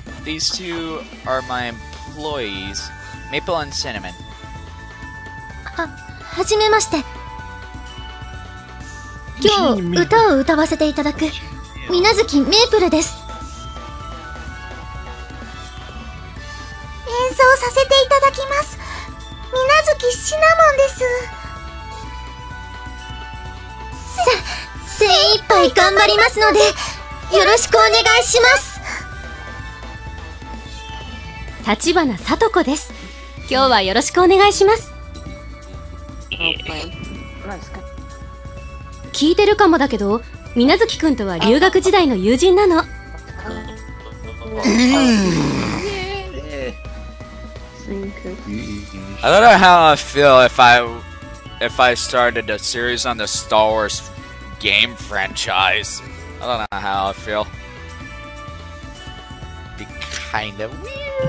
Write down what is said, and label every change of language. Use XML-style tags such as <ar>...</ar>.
<en>These two are my employees, Maple and Cinnamon.</en> <ja>はじめまして。今日歌を歌わせていただく水月メープルです。演奏させていただきます。水月シナモンです。精一杯頑張りますのでよろしくお願いします。橘聡子です。今日はよろしくお願いします。聞いてるかもだけど、水月くんとは留学時代の友人なの。</ja> <en>I don't know how I feel if I started a series on the Star Wars game franchise. I don't know how I feel. Be kind of weird.</en>